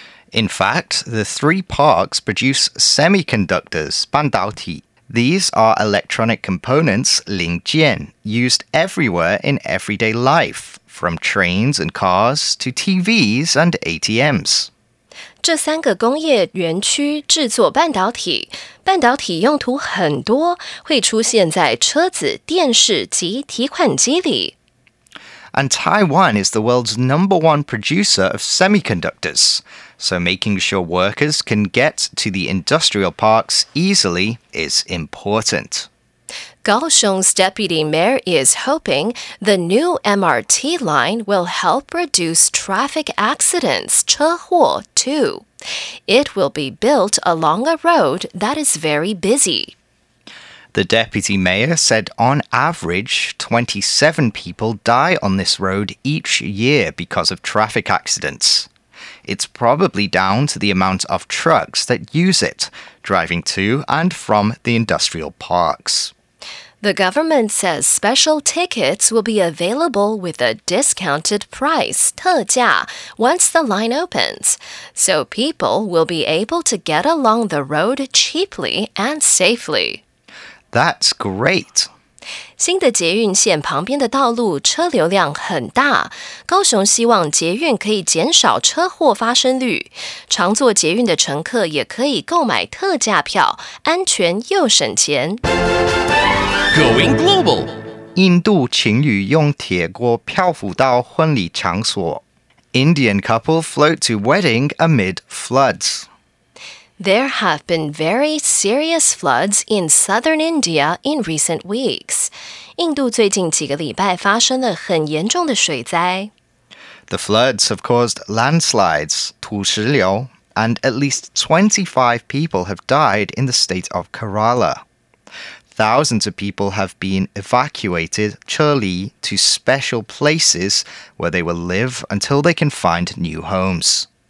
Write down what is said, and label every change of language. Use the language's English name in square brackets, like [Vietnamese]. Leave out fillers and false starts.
[English] In fact, the three parks produce semiconductors, [Chinese] 半导体. [English] These are electronic components, [Chinese] 零件, [English] used everywhere in everyday life, from trains and cars to TVs and ATMs. [Chinese] 这三个工业园区制作半导体，半导体用途很多，会出现在车子、电视及提款机里。 [English] And Taiwan is the world's number one producer of semiconductors. So making sure workers can get to the industrial parks easily is important. Kaohsiung's deputy mayor is hoping the new MRT line will help reduce traffic accidents, [Chinese] 车祸, [English] too. It will be built along a road that is very busy. The deputy mayor said on average, 27 people die on this road each year because of traffic accidents. It's probably down to the amount of trucks that use it, driving to and from the industrial parks. The government says special tickets will be available with a discounted price, [Chinese] 特价, [English] once the line opens. So people will be able to get along the road cheaply and safely. That's great. [Chinese] 新的捷运线旁边的道路车流量很大。高雄希望捷运可以减少车祸发生率。常坐捷运的乘客也可以购买特价票，安全又省钱。 [English] Going global. [Chinese] 印度情侣用铁锅漂浮到婚礼场所。 [English] Indian couple float to wedding amid floods. There have been very serious floods in southern India in recent weeks. [Chinese] 印度最近几个礼拜发生了很严重的水灾。 [English] The floods have caused landslides, [Chinese] 土石流, [English] and at least 25 people have died in the state of Kerala. Thousands of people have been evacuated, [Chinese] 撤离, [English] to special places where they will live until they can find new homes.